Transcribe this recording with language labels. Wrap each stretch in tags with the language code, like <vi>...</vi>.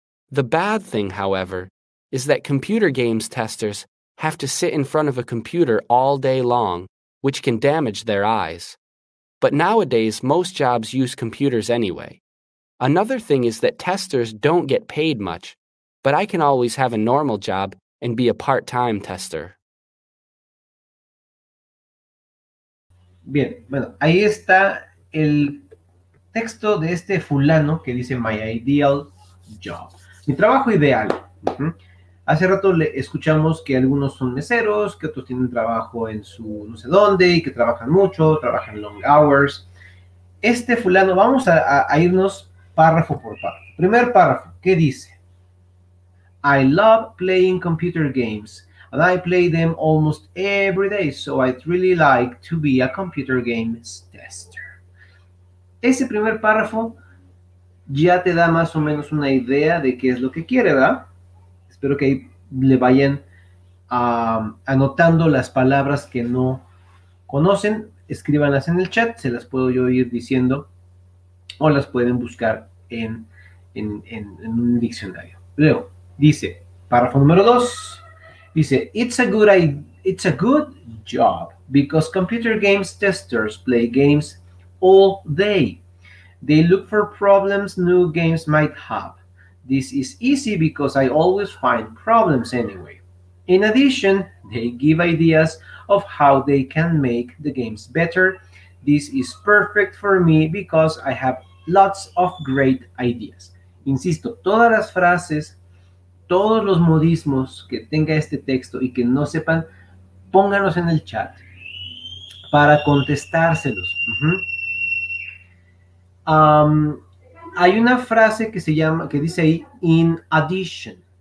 <en>The bad thing, however, is that computer games testers have to sit in front of a computer all day long, which can damage their eyes. But nowadays, most jobs use computers anyway. Another thing is that testers don't get paid much, but I can always have a normal job and be a part-time tester.</en> <es>Bien, bueno, ahí está el texto de este fulano que dice</es> <en>my ideal job.</en> <es>Mi trabajo ideal. Hace rato le escuchamos que algunos son meseros, que otros tienen trabajo en su no sé dónde y que trabajan mucho, trabajan</es> <en>long hours.</en> <es>Este fulano, vamos a irnos párrafo por párrafo. Primer párrafo, ¿qué dice?</es> <en>I love playing computer games. And I play them almost every day, so I'd really like to be a computer games tester.</en> <es>Ese primer párrafo ya te da más o menos una idea de qué es lo que quiere, ¿verdad? Espero que le vayan anotando las palabras que no conocen. Escríbanlas en el chat, se las puedo yo ir diciendo. O las pueden buscar en un diccionario. Luego, dice, párrafo número 2. Dice,</es> <en>it's a good job because computer games testers play games all day. They look for problems new games might have. This is easy because I always find problems anyway. In addition, they give ideas of how they can make the games better. This is perfect for me because I have lots of great ideas.</en> <es>Insisto, todas las frases, todos los modismos que tenga este texto y que no sepan, pónganlos en el chat para contestárselos. Hay una frase que se llama, que dice ahí,</es> <en>in addition.</en>